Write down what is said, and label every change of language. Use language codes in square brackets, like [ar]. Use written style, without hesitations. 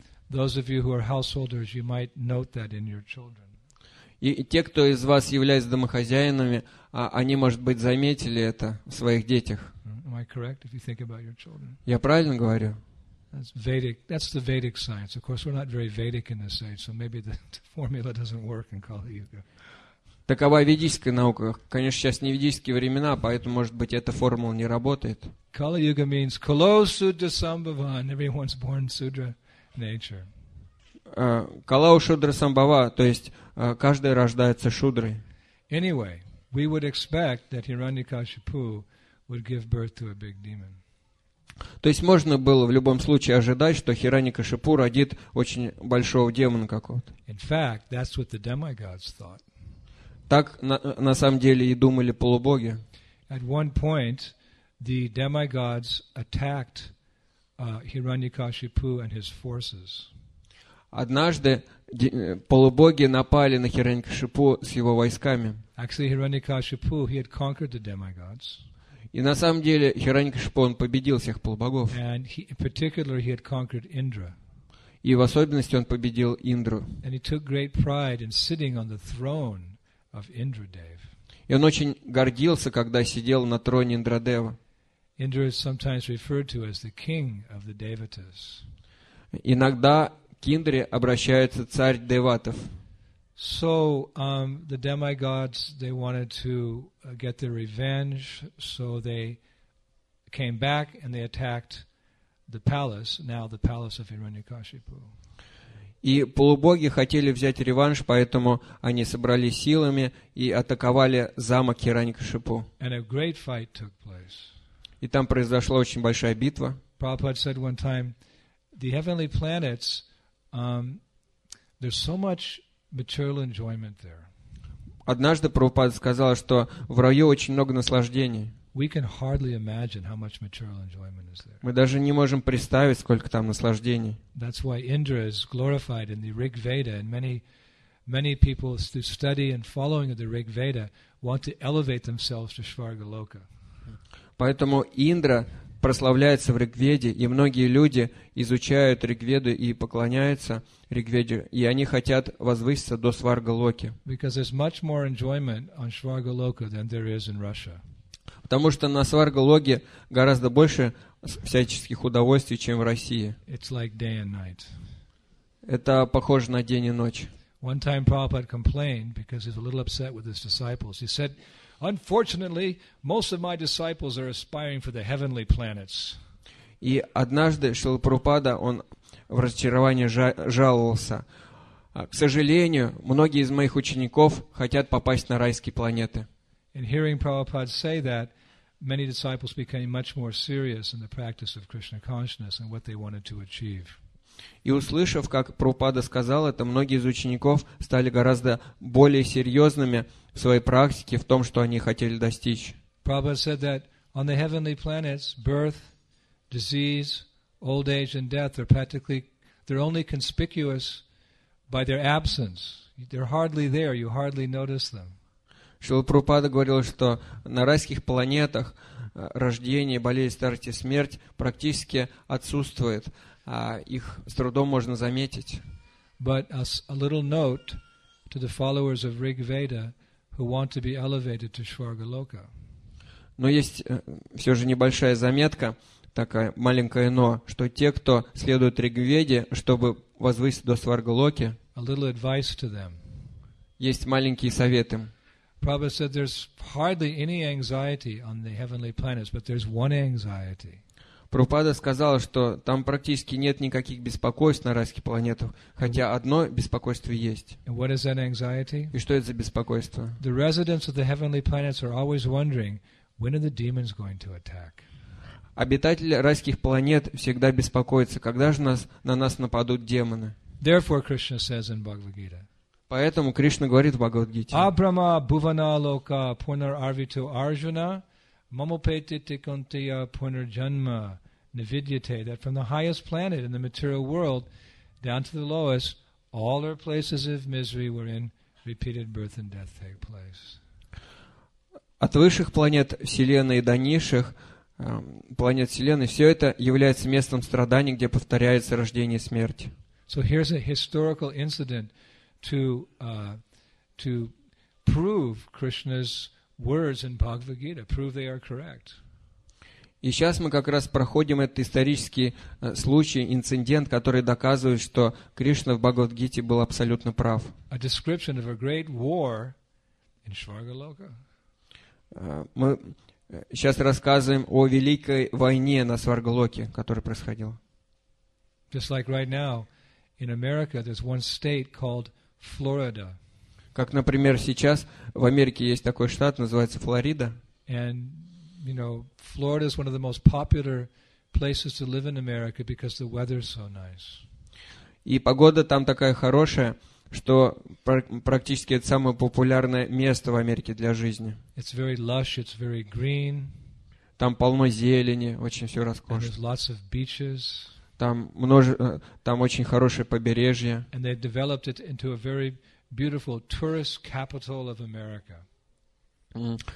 [en] Those of you who are householders, you might note that in your children. [ru] И те, кто из вас являются домохозяинами, они, может быть, заметили это в своих детях. [en] Am I correct if you think about your children? [ru] Я правильно говорю? [en] That's Vedic. That's the Vedic science. Of course, we're not very Vedic in this age, so maybe the formula doesn't work in Kali Yuga. [ru] Такова ведическая наука. Конечно, сейчас не ведические времена, поэтому, может быть, эта формула не работает. [en] Kali Yuga means [sa] Kalo Sudra Sambhava, [en] and everyone's born Sudra nature. [sa] Калау Шудра Самбава, [ru] то есть каждый рождается шудрой. [en] Anyway, we would expect that Hiranyakashipu would give birth to a big demon. [ru] То есть можно было в любом случае ожидать, что Хираньякашипу родит очень большого демона какого-то. [en] In fact, that's what the demigods thought. [ru] Так на самом деле и думали полубоги. [en] At one point, the demigods attacked Hiranyakashipu and his forces. [ru] Однажды полубоги напали на Хираньякашипу с его войсками. [en] Actually, Hiranyakashipu, he had conquered the demigods. [ru] И на самом деле Хираньякашипу, он победил всех полубогов. [en] And he, in particular, he had conquered Indra. [ru] И в особенности он победил Индру. [en] And he took great pride in sitting on the throne of Indradeva. [ru] И он очень гордился, когда сидел на троне Индрадева. [en] Indra is sometimes referred to as the king of the Devatas. [ru] Иногда к Индре обращается царь Деватов. [en] So the demigods, they wanted to get their revenge, so they came back and they attacked the palace, now the palace of Hiranyakashipu. [ru] И полубоги хотели взять реванш, поэтому они собрали силами и атаковали замок Хиранькашипу. [en] And a great fight took place. [ru] И там произошла очень большая битва. [en] Prabhupada said one time, the heavenly planets, there's so much material enjoyment there. [ru] Однажды Прабхупада сказал, что в раю очень много наслаждений. [en] We can hardly imagine how much material enjoyment is there. [ru] Мы даже не можем представить, сколько там наслаждений. [en] That's why Indra is glorified in the Rig Veda, and many, many people through study and following of the Rig Veda want to elevate themselves to Svarga Loka. [ru] Поэтому Индра прославляется в Ригведе, и многие люди изучают Ригведу и поклоняются Ригведе, и они хотят возвыситься до Сварга-Локи. [en] Because there's much more enjoyment on Svarga-Loka than there is in Russia. [ru] Потому что на Сварга-Локе гораздо больше всяческих удовольствий, чем в России. [en] It's like day and night. [ru] Это похоже на день и ночь. [en] One time Prabhupada complained because he's a little upset with his disciples. He said, unfortunately, most of my disciples are aspiring for the heavenly planets. [ru] И однажды Шрила Прабхупада, он в разочаровании жаловался. К сожалению, многие из моих учеников хотят попасть на райские планеты. [en] In hearing Prabhupada say that, many disciples became much more serious in the practice of Krishna consciousness and what they wanted to achieve. [ru] И услышав, как Прабхупада сказал это, многие из учеников стали гораздо более серьезными в своей практике, в том, что они хотели достичь. [en] Prabhupada said that on the heavenly planets, birth, disease, old age and death are practically, they're only conspicuous by their absence. They're hardly there, you hardly notice them. [ru] Шрила Прабхупада говорил, что на райских планетах рождение, болезнь, старость и смерть практически отсутствует. Их с трудом можно заметить. [en] But a little note to the followers of Rig Veda who want to be elevated to Svarga Loka. [ru] Но есть все же небольшая заметка, такая маленькая но, что те, кто следует Риг Веде, чтобы возвыситься до Сварга Локи, [en] a little advice to them. [ru] Есть маленькие советы. [en] Prabhupada said there's hardly any anxiety on the heavenly planets, but there's one anxiety. [ru] Прабхупада сказал, что там практически нет никаких беспокойств на райских планетах, хотя одно беспокойство есть. [en] And what is that anxiety? [ru] И что это за беспокойство? [en] The residents of the heavenly planets are always wondering, when are the demons going to attack? [ru] Обитатели райских планет всегда беспокоятся, когда же на нас нападут демоны. [en] Therefore, Krishna says in Bhagavad Gita. [ru] Поэтому Кришна говорит в Бхагавад Гите. [sa] Абрама бувана лока пунар арвиту арджуна мамопети тикунтия пунар джанма навидьяте. [en] That from the highest planet in the material world down to the lowest, all are places of misery wherein repeated birth and death take place. [ru] От высших планет Вселенной до низших планет Вселенной, все это является местом страданий, где повторяется рождение и смерть. [en] So here's a historical incident to prove Krishna's words in Bhagavad Gita, prove they are correct. [ru] И сейчас мы как раз проходим этот исторический случай, инцидент, который доказывает, что Кришна в Бхагавад Гите был абсолютно прав. [en] A description of a great war in Svargaloka. [ru] Мы сейчас рассказываем о великой войне на Сваргалоке, которая происходила. [en] Just like right now in America, there's one state called Florida. [ru] Как, например, сейчас в Америке есть такой штат, называется Флорида. [en] And you know, Florida is one of the most popular places to live in America because the weather is so nice. [ru] И погода там такая хорошая, что практически это самое популярное место в Америке для жизни. [en] It's very lush, it's very green. [ru] Там полно зелени, очень все роскошно. [en] And there's lots of beaches. [ru] Там очень хорошее побережье. [en] And they developed it into a very beautiful tourist capital of America.